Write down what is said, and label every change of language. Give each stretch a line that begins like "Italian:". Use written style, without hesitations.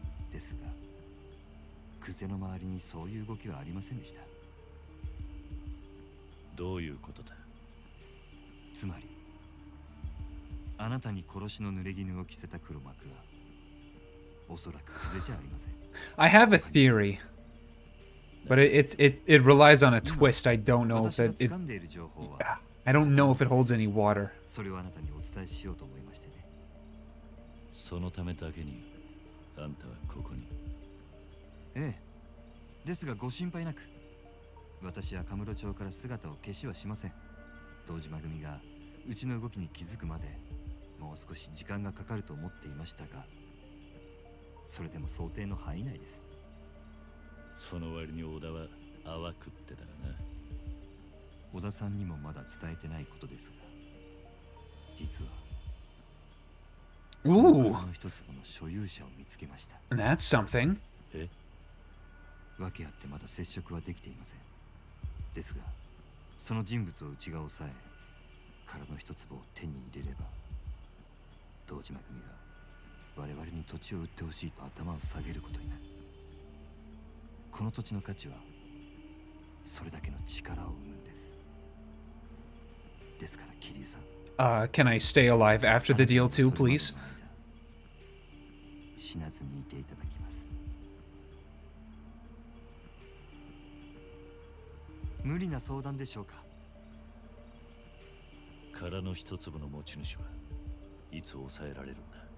Japanese: ですが、クゼの周りにそういう動きはありませんでした。どういうことだ。つまり、あなたに殺しの濡れ衣を着せた黒幕は、おそらくクゼじゃありません。
English: I have a theory, but it relies on a twist. I don't know if it.
Japanese: 私が掴んでいる情報は。
English: I don't know if it holds any water.
Japanese: それをあなたにお伝えしようと思いましてね。そのためだけに、あんたはここに。ええ。ですがご心配なく、私はカムロ町から姿を消しはしません。堂島組がうちの動きに気づくまで、もう少し時間がかかると思っていましたが、それでも想定の範囲内です。その割に小田は泡食ってたらな。小田さんにもまだ伝えてないことですが、実は、 ooh. この車の一つもの所有者を見つけました。
English: That's something.
Japanese: え？わけあってまだ接触はできていません。ですが、その人物を内側を抑え、空の一つを手に入れれば、道島組は我々に土地を売ってほしいと頭を下げることになる。この土地の価値は、それだけの力を生むんです。ですから、キリュウさん。
English: Can I stay alive after the deal too, please?
Japanese: 死なずにいていただきます。無理な相談でしょうか。殻の一粒の持ち主はいつ抑えられるんだ。